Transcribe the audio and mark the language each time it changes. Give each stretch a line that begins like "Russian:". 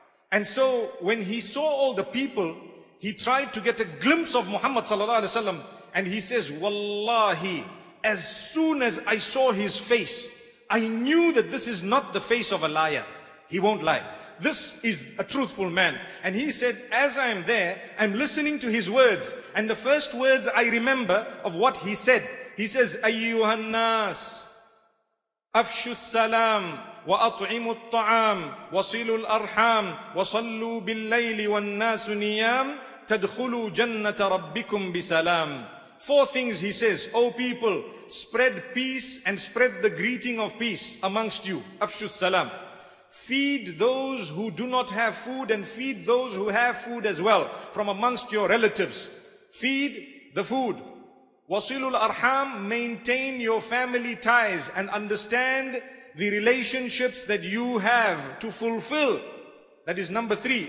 English: And so when he saw all the people, he tried to get a glimpse of Muhammad sallallahu alaihi wasallam, and he says, wallahi, as soon as I saw his face, I knew that this is not the face of a liar. He won't lie. This is a truthful man. And he said, as I am there, I'm listening to his words.
Arabic: And the first words I remember of what he said, he says, أيها الناس أفشوا السلام وأطعموا الطعام وصلوا الأرحام وصلوا بالليل والناس نيام تدخلوا جنة ربكم بسلام.
English: Four things he says, O people, spread peace and spread the greeting of peace amongst you.
Arabic: Afshu salam.
English: Feed those who do not have food and feed those who have food as well from amongst your relatives. Feed the food.
Arabic: Wasilul arham,
English: maintain your family ties and understand the relationships that you have to fulfill. That is number three.